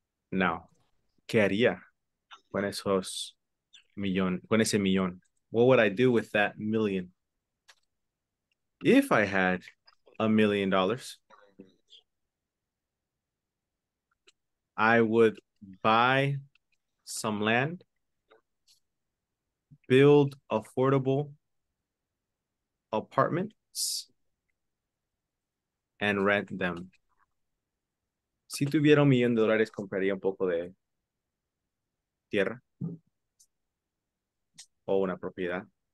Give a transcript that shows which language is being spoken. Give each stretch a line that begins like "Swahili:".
Spanish: Now, ¿qué haría con esos millón, con ese millón?
English: What would I do with that million? If I had $1,000,000, I would buy some land, build affordable apartments, and rent them.
Spanish: Si tuviera $1,000,000, compraría un poco de tierra o una propiedad.